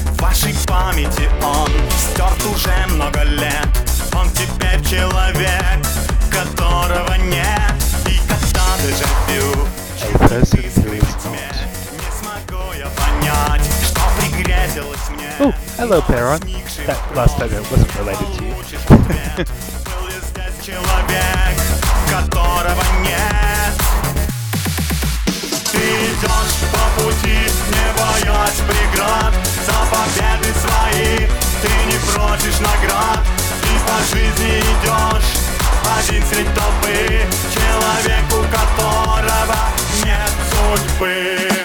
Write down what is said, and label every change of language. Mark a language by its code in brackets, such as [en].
[ru] В вашей памяти он стерт уже много лет. Он теперь человек, которого нет. И когда дежавю, чувствую искры в тьме, не смогу я понять, что пригрезилось мне. [en] Hello, Perron. That last time it wasn't related to you. [ru] Был я здесь человек, которого нет. Идешь по пути, не боясь преград. За победы свои ты не просишь наград. И по жизни идешь один средь толпы, человеку которого нет судьбы.